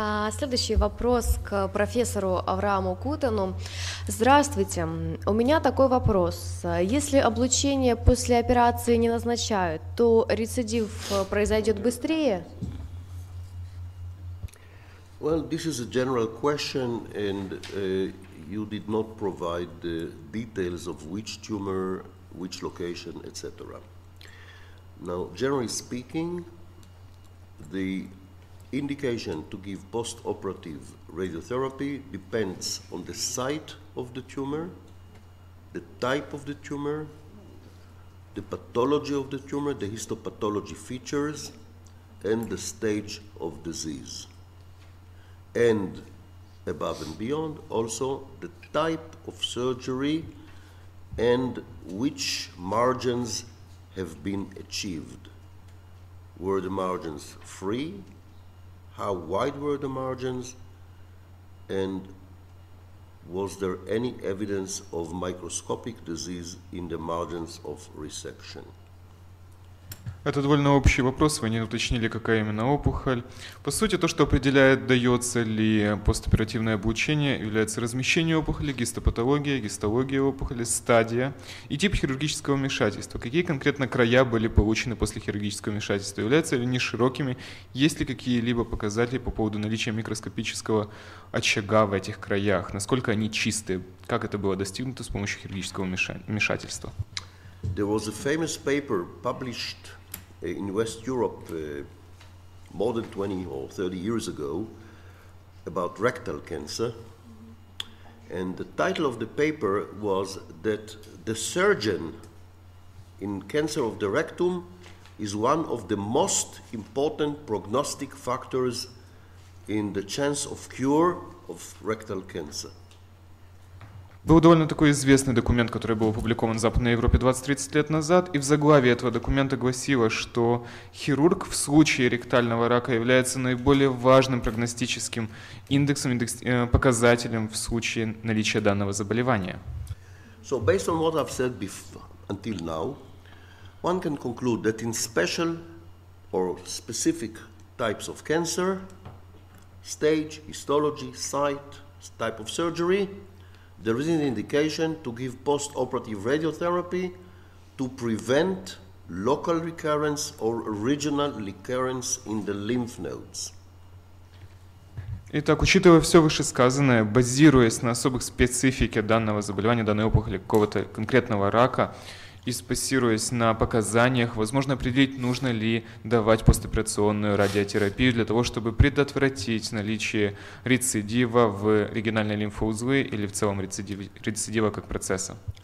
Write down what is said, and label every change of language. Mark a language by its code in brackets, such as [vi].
[ru] Следующий вопрос к профессору Аврааму Кутану. Здравствуйте. У меня такой вопрос. Если облучение после операции не назначают, то рецидив произойдет быстрее? [en] Well, this is a general question, and you did not provide the details of which tumor, which location, etc. Now, generally speaking, the indication to give post-operative radiotherapy depends on the site of the tumor, the type of the tumor, the pathology of the tumor, the histopathology features, and the stage of disease. And above and beyond, also the type of surgery and which margins have been achieved. Were the margins free? How wide were the margins, and was there any evidence of microscopic disease in the margins of resection? [ru] Это довольно общий вопрос. Вы не уточнили, какая именно опухоль. По сути, то, что определяет, дается ли постоперативное облучение, является размещение опухоли, гистопатология, гистология опухоли, стадия и тип хирургического вмешательства. Какие конкретно края были получены после хирургического вмешательства? Являются ли они широкими? Есть ли какие-либо показатели по поводу наличия микроскопического очага в этих краях? Насколько они чистые? Как это было достигнуто с помощью хирургического вмешательства? [en] There was a famous paper published in West Europe more than 20 or 30 years ago about rectal cancer. And the title of the paper was that the surgeon in cancer of the rectum is one of the most important prognostic factors in the chance of cure of rectal cancer. [ru] Был довольно такой известный документ, который был опубликован в Западной Европе 20-30 лет назад, и в заглавии этого документа гласилось, что хирург в случае ректального рака является наиболее важным прогностическим индексом, показателем в случае наличия данного заболевания. [en] So based on what I've said until now, one can conclude that in special or specific types of cancer, stage, histology, site, type of surgery, there is an indication to give post-operative radiotherapy to prevent local recurrence or regional recurrence in the lymph nodes. [ru] Итак, учитывая все вышесказанное, базируясь на особых специфике данного заболевания, данной опухоли, какого-то конкретного рака, и спасируясь на показаниях, возможно определить, нужно ли давать постоперационную радиотерапию для того, чтобы предотвратить наличие рецидива в оригинальной лимфоузлы или в целом рецидива как процесса.